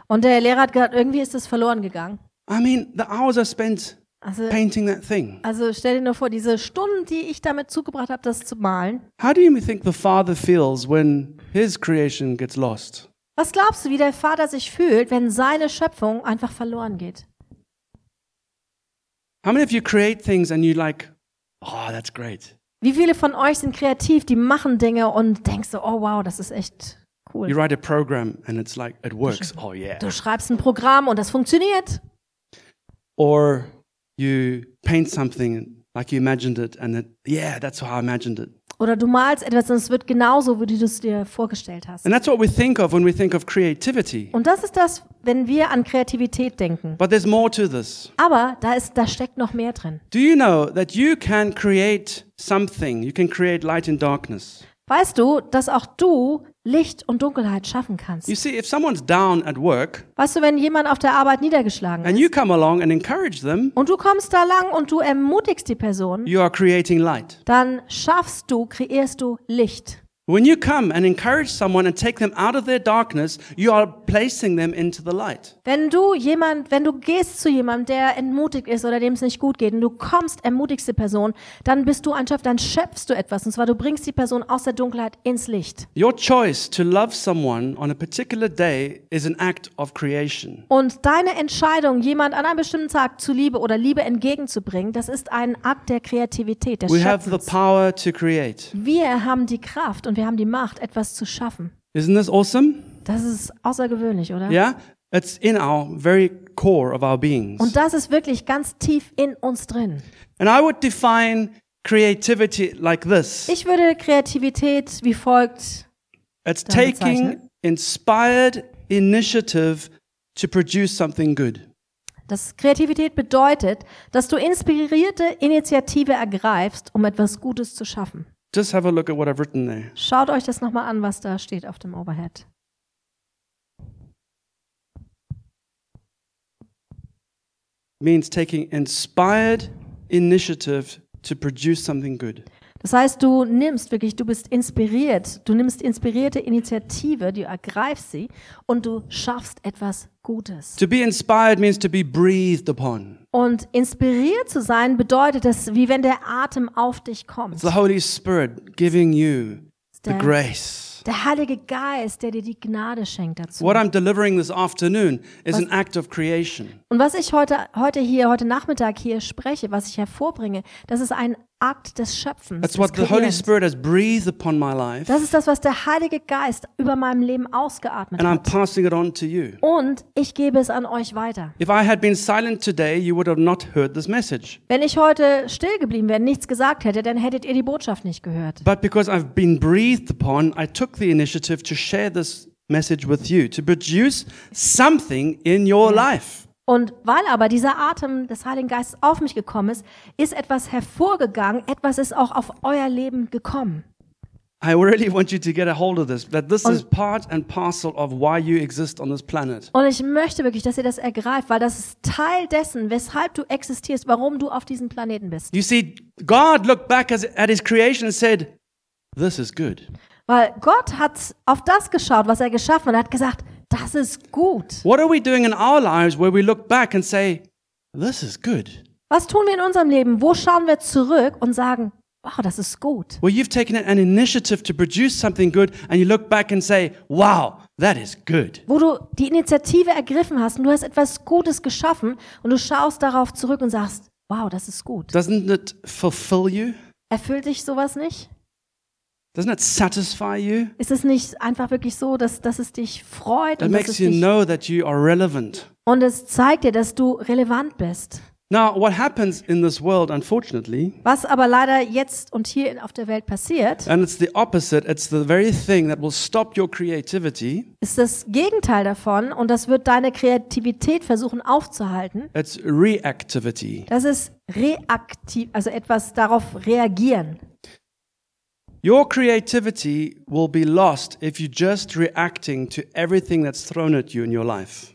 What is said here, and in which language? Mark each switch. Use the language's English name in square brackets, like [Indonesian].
[German] Und der Lehrer hat gesagt, irgendwie ist es verloren gegangen. [English] I mean, the hours I spent painting that thing. [German] Also stell dir nur vor, diese Stunden, die ich damit zugebracht habe, das zu malen. [English] How do you think the father feels when his creation gets lost? [German] Was glaubst du, wie der Vater sich fühlt, wenn seine Schöpfung einfach verloren geht? [English] How many of you create things and you like, oh, that's great. [German] Wie viele von euch sind kreativ, die machen Dinge und denkst so, oh wow, das ist echt cool. [English] You write a program and it's like it works. Oh yeah. [German] Du schreibst ein Programm und das funktioniert. [English] Or you paint something like you imagined it and it, yeah, that's how I imagined it. [German] Oder du malst etwas und es wird genauso, wie du es dir vorgestellt hast. [English] And that's what we think of when we think of creativity. [German] Und das ist das, wenn wir an Kreativität denken. [English] But there's more to this. [German] Aber da steckt noch mehr drin. [English] Do you know that you can create something? You can create light and darkness. [German] Weißt du, dass auch du Licht und Dunkelheit schaffen kannst? [English] You see, if someone's down at work, [German] weißt du, wenn jemand auf der Arbeit niedergeschlagen ist, [English] and you come along and encourage them, [German] und du kommst da lang und du ermutigst die Person, [English] you are creating light. [German] Dann schaffst du, kreierst du Licht. [English] When you come and encourage someone and take them out of their darkness, you are placing them into the light. [German] Wenn du gehst zu jemandem, der entmutigt ist oder dem es nicht gut geht, und du kommst, ermutigst die Person, dann bist du ein Schöpfer, dann schöpfst du etwas, und zwar du bringst die Person aus der Dunkelheit ins Licht. [English] Your choice to love someone on a particular day is an act of creation. [German] Und deine Entscheidung, jemand an einem bestimmten Tag zu lieben oder Liebe entgegenzubringen, das ist ein Akt der Kreativität, des Schöpfens. [English] We have the power to create. [German] Wir haben die Kraft und wir haben die Macht, etwas zu schaffen. [English] Isn't this awesome? [German] Das ist außergewöhnlich, oder? [English] Yeah, it's in our very core of our beings. [German] Und das ist wirklich ganz tief in uns drin. [English] And I would define creativity like this. [German] Ich würde Kreativität wie folgt bezeichnen. [English] It's taking inspired initiative to produce something good. [German] Das Kreativität bedeutet, dass du inspirierte Initiative ergreifst, um etwas Gutes zu schaffen. [English] Just have a look at what I've written there. [German] Schaut euch das nochmal an, was da steht auf dem Overhead. [English] Means taking inspired initiative to produce something good. [German] Das heißt, du nimmst wirklich, du bist inspiriert, du nimmst inspirierte Initiative, du ergreifst sie und du schaffst etwas Gutes. [English] To be inspired means to be breathed upon. [German] Und inspiriert zu sein bedeutet, dass wie wenn der Atem auf dich kommt. [English] It's the Holy Spirit giving you the grace. [German] Der Heilige Geist, der dir die Gnade schenkt dazu. [English] What I'm delivering this afternoon is an act of creation. [German] Und was ich heute Nachmittag hier spreche, was ich hervorbringe, das ist ein Akt des Schöpfens. [English] That's what the Holy Spirit has breathed upon my life. [German] Das ist das, was der Heilige Geist über meinem Leben ausgeatmet and hat. [English] And I'm passing it on to you. [German] Und ich gebe es an euch weiter. [English] If I had been silent today, you would have not heard this message. [German] Wenn ich heute still geblieben wäre, nichts gesagt hätte, dann hättet ihr die Botschaft nicht gehört. [English] But because I've been breathed upon, I took the initiative to share this message with you, to produce something in your life. [German] Und weil aber dieser Atem des Heiligen Geistes auf mich gekommen ist, ist etwas hervorgegangen, etwas ist auch auf euer Leben gekommen. [English] I really want you to get a hold of this, that this is part and parcel of why you exist on this planet. [German] Und ich möchte wirklich, dass ihr das ergreift, weil das ist Teil dessen, weshalb du existierst, warum du auf diesem Planeten bist. [English] You see, God looked back at his creation and said, this is good. [German] Weil Gott hat auf das geschaut, was er geschaffen hat, und hat gesagt, das ist gut. [English] What are we doing in our lives where we look back and say, this is good? [German] Was tun wir in unserem Leben? Wo schauen wir zurück und sagen, wow, das ist gut? [English] Well, you've taken an initiative to produce something good and you look back and say, wow, that is good. [German] Wo du die Initiative ergriffen hast und du hast etwas Gutes geschaffen und du schaust darauf zurück und sagst, wow, das ist gut. [English] Doesn't it fulfill you? [German] Erfüllt dich sowas nicht? [English] Doesn't it satisfy you? [German] Ist es nicht einfach wirklich so, dass es dich freut und [English] it makes you know that you are relevant. [German] Und es zeigt dir, dass du relevant bist. [English] Now, what happens in this world, unfortunately? [German] Was aber leider jetzt und hier auf der Welt passiert? [English] And it's the opposite. It's the very thing that will stop your creativity. [German] Ist das Gegenteil davon und das wird deine Kreativität versuchen aufzuhalten? [English] It's reactivity. [German] Das ist reaktiv, also etwas darauf reagieren. [English] Your creativity will be lost if you're just reacting to everything that's thrown at you in your life.